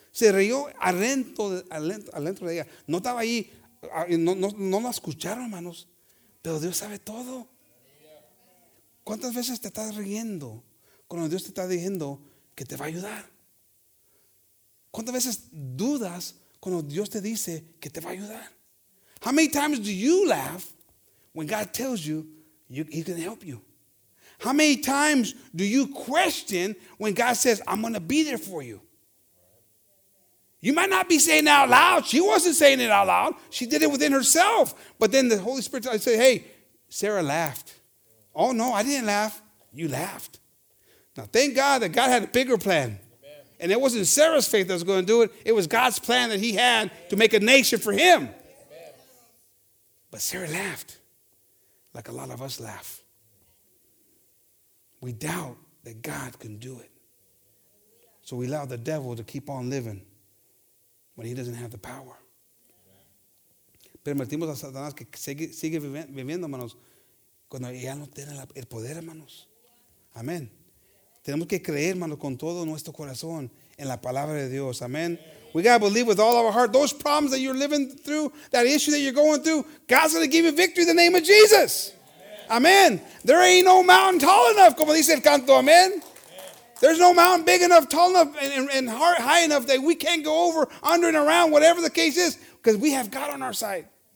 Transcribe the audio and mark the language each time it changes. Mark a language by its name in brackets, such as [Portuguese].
[Spanish] Se rió adentro de ella. No estaba ahí, no la escucharon, hermanos. Pero Dios sabe todo. ¿Cuántas veces te estás riendo cuando Dios te está diciendo que te va a ayudar? ¿Cuántas veces dudas cuando Dios te dice que te va a ayudar? [English] How many times do you laugh when God tells you he can help you? How many times do you question when God says, I'm going to be there for you? You might not be saying it out loud. She wasn't saying it out loud. She did it within herself. But then the Holy Spirit said, hey, Sarah laughed. Oh, no, I didn't laugh. You laughed. Now, thank God that God had a bigger plan. Amen. And it wasn't Sarah's faith that was going to do it. It was God's plan that he had to make a nation for him. But Sarah laughed, like a lot of us laugh. We doubt that God can do it. So we allow the devil to keep on living when he doesn't have the power. [Spanish] Permitimos a Satanás que sigue viviendo, hermanos, cuando ya no tiene el poder, hermanos. Amén. Tenemos que creer, hermanos, con todo nuestro corazón en la palabra de Dios. Amén. [English] We got to believe with all our heart. Those problems that you're living through, that issue that you're going through, God's going to give you victory in the name of Jesus. Amén. There ain't no mountain tall enough, [Spanish] como dice el canto. [English] Amén. There's no mountain big enough, tall enough, and high enough that we can't go over, under and around, whatever the case is, because we have God on our side.